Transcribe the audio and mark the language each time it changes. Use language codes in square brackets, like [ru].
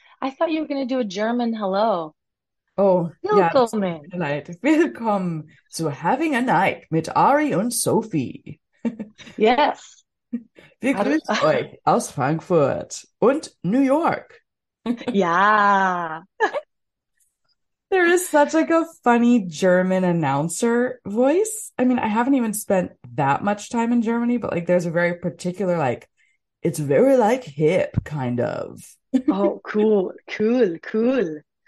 [en] I thought you were going to do a German hello. Oh, [de] willkommen. [en] Yeah. [de] Willkommen zu [en] having a night [de] mit Ari und Sophie. [en] Yes. [de] Wir grüßen euch aus Frankfurt und New York. [en] Yeah. There is such like a funny German announcer voice. I mean, I haven't even spent that much time in Germany, but like there's a very particular, like, it's very like hip kind of. Oh, cool. Cool. Cool.